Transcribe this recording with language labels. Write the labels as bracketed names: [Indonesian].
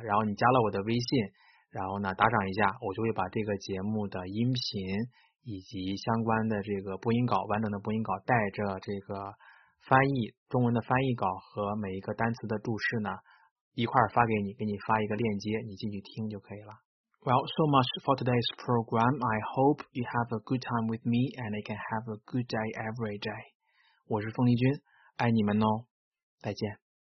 [Chinese] 然后你加了我的微信，然后呢打赏一下，我就会把这个节目的音频以及相关的这个播音稿，完整的播音稿带着这个翻译，中文的翻译稿和每一个单词的注释呢一块发给你，给你发一个链接，你进去听就可以了。 [English] Well, so much for today's program. I hope you have a good time with me and I can have a good day every day. [Chinese] 我是凤丽君，爱你们哦，再见。